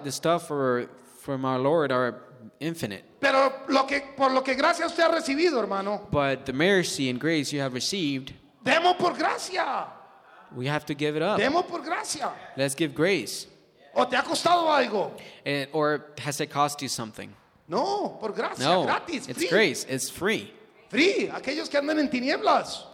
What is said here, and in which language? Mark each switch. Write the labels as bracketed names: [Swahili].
[English] Because the stuff from our Lord are infinite. [Spanish] Pero por lo que gracias usted ha recibido, hermano. [English] But the mercy and grace you have received. [Spanish] Demo por gracia. [English] We have to give it up. [Spanish] Demo por gracia. [English] Let's give grace. [Spanish] ¿O te ha costado algo? [English] Or has it cost you something? [Spanish] No, por gracia, no, gratis, [English] it's free. It's grace. It's free. [Spanish] Free. Aquellos que andan en tinieblas.